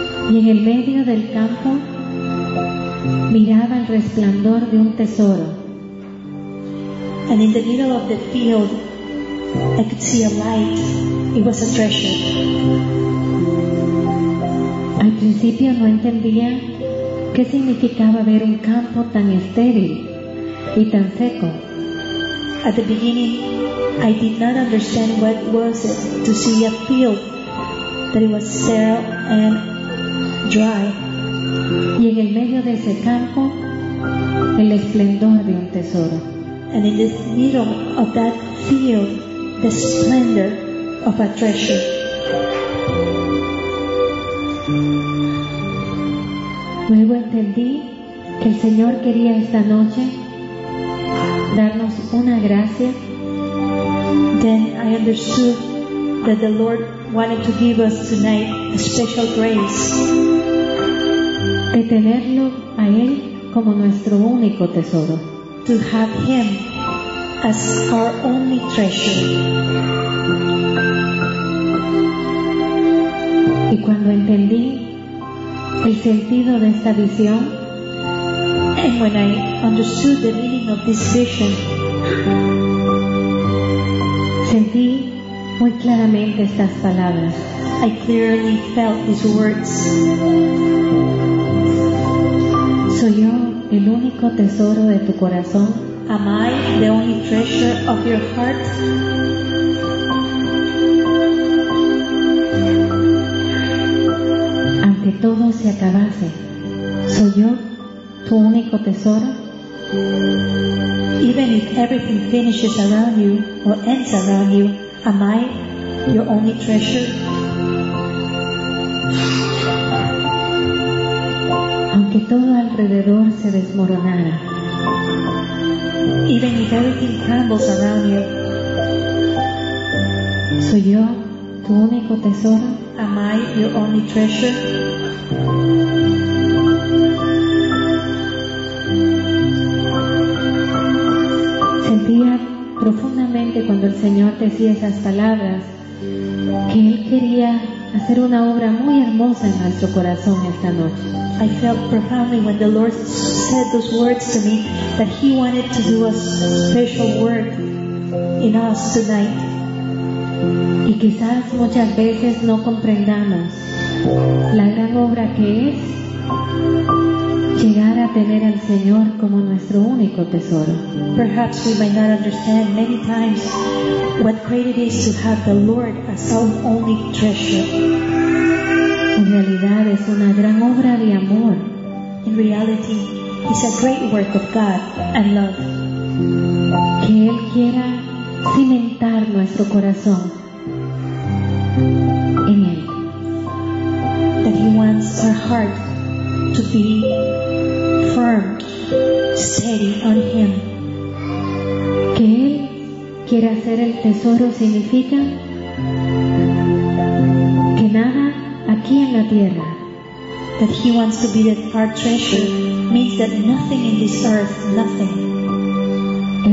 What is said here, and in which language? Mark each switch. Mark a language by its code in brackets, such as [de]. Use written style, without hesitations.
[es] Y en el medio del campo miraba el resplandor de un tesoro. [en] And in the middle of the field, I could see a light. It was a treasure. [es] Al principio no entendía qué significaba ver un campo tan estéril y tan seco. [en] At the beginning, I did not understand what was it to see a field that it was sterile and dry. [es] Y en el medio de ese campo, el esplendor de un tesoro. [en] And in the middle of that field, the splendor of a treasure. [es] Luego entendí que el Señor quería esta noche darnos una gracia. [en] Then I understood that the Lord wanted to give us tonight a special grace. [es] De tenerlo a Él como nuestro único tesoro. [en] To have Him as our only treasure. [es] Y cuando entendí el sentido de esta visión, [en] and when I understood the meaning of this vision, [es] sentí muy claramente estas palabras. [en] I clearly felt these words. [es] Soy yo el único tesoro de tu corazón. [en] Am I the only treasure of your heart? [es] Aunque todo se acabase, soy yo tu único tesoro. [en] Even if everything finishes around you or ends around you, am I your only treasure? [es] Aunque todo alrededor se desmoronara, [en] even if everything crumbles around you, [es] soy yo tu único tesoro. [en] Am I your only treasure? [es] Sentía profundamente cuando el Señor decía esas palabras que Él quería hacer una obra muy hermosa en nuestro corazón esta noche. [en] I felt profoundly when the Lord said those words to me that He wanted to do a special work in us tonight. [es] Y quizás muchas veces no comprendamos la gran obra que es llegar a tener al Señor como nuestro único tesoro. [en] Perhaps we might not understand many times what great it is to have the Lord as our only treasure. [es] En realidad es una gran obra de amor. [en] In reality, it's a great work of God and love. [es] Que Él quiera cimentar nuestro corazón en Él. [en] That He wants our heart to be firm, steady on Him. [es] Que Él quiera hacer el tesoro significa que nada aquí en la tierra. [en] That He wants to be the our treasure means that nothing in this earth, nothing,